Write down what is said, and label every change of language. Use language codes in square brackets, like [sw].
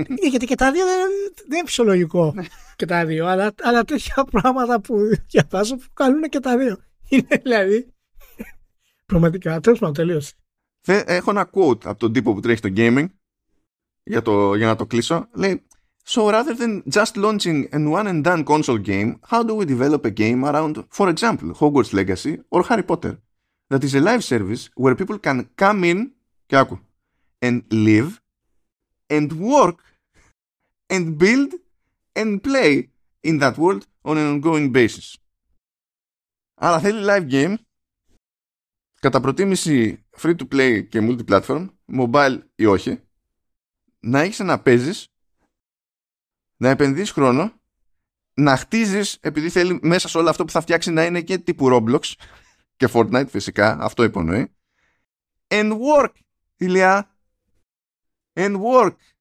[el] Γιατί και τα δύο δεν είναι φυσιολογικό και τα δύο, αλλά τέτοια πράγματα που διαβάζω που κάνουν και τα δύο. Είναι δηλαδή πραγματικά, τέλος πάντων, τελείωσε. Έχω ένα quote από τον τύπο που τρέχει το gaming για να το κλείσω. Λέει, [en] so rather than just launching an one and done console game, how do we develop a game around, for example, Hogwarts Legacy or Harry Potter, that is a live service where people can come in, [el] και άκου, [en] and live and work and build and play in that world on an ongoing basis. [el] Άρα θέλει live game, κατά προτίμηση free to play και multi-platform, mobile ή όχι, να έχεις να παίζεις, να επενδύεις χρόνο, να χτίζεις, επειδή θέλει μέσα σε όλο αυτό που θα φτιάξει να είναι και τύπου Roblox και Fortnite φυσικά, αυτό υπονοεί, [en] and work, [el] Ηλιά, and work.